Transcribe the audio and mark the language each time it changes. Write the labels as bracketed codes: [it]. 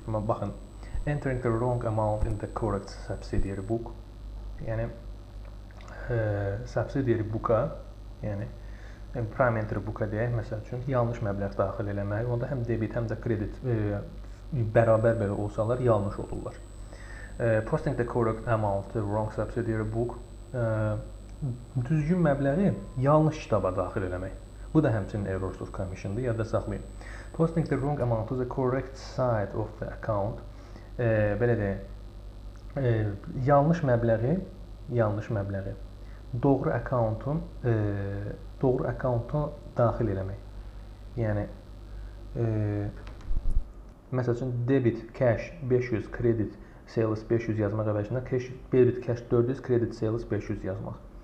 [az] Amma baxın, [en] entering the wrong amount in the correct subsidiary book. [az] Yəni subsidiary booka, yəni prime entry booka deyək məsəl üçün yanlış məbləğ daxil eləmək, onda həm debit, həm də kredit bərabər belə olsalar yanlış olurlar. [en] Posting the correct amount to the wrong subsidiary book. [az] Düzgün məbləği yanlış kitaba daxil eləmək. Bu da həmçinin errors of commission-dır, yadda saxlayın. [en] Posting the wrong amount to the correct side of the account. [az] Belə deyək, yanlış məbləği doğru accountu daxil eləmək. Yəni, məsəl üçün, debit, cash, 500, kredit, sales 500 yazmaq əvəzinə, debit, cash 400, kredit, sales 500 yazmaq.